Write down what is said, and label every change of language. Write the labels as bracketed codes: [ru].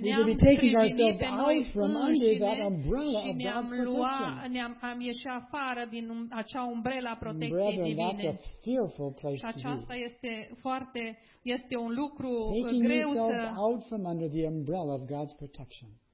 [en] We would be taking ourselves out from under that umbrella of God's protection. [ro] Am ieșit afară din acea umbrelă a protecției divine. [en] That's a fearful place to be. [ro] Și aceasta este foarte, este un lucru [en] taking [ro] greu să [en] out from under the umbrella of God's protection.